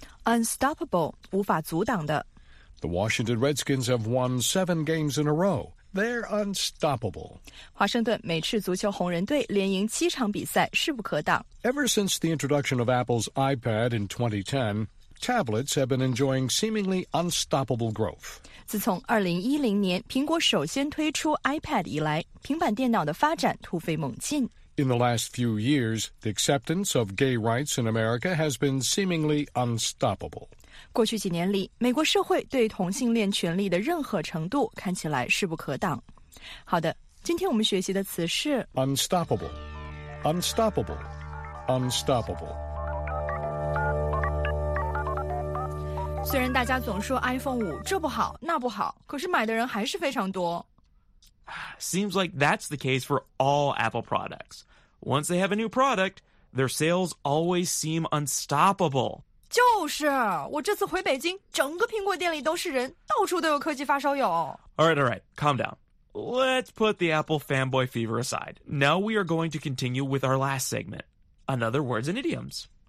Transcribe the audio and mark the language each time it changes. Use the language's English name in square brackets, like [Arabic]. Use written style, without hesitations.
[English] Unstoppable, [Chinese] 无法阻挡的。 [English] The Washington Redskins have won 7 games in a row. They're unstoppable. [Chinese] 华盛顿美式足球红人队连赢七场比赛势不可挡。 [English] Ever since the introduction of Apple's iPad in 2010,Tablets have been enjoying seemingly unstoppable growth. [Chinese] 自从2010年苹果首先推出 iPad 以来，平板电脑的发展突飞猛进。 [English] In the last few years, the acceptance of gay rights in America has been seemingly unstoppable. [Chinese] 过去几年里，美国社会对同性恋权利的认可程度看起来势不可挡。好的，今天我们学习的词是 [English] unstoppable, unstoppable, unstoppable. [Chinese] 虽然大家总说 iPhone 5这不好那不好，可是买的人还是非常多。 [English] Seems like that's the case for all Apple products. Once they have a new product, their sales always seem unstoppable. [Chinese] 就是，我这次回北京，整个苹果店里都是人，到处都有科技发烧友。 [English] All right, calm down. Let's put the Apple fanboy fever aside. Now we are going to continue with our last segment, another words and idioms.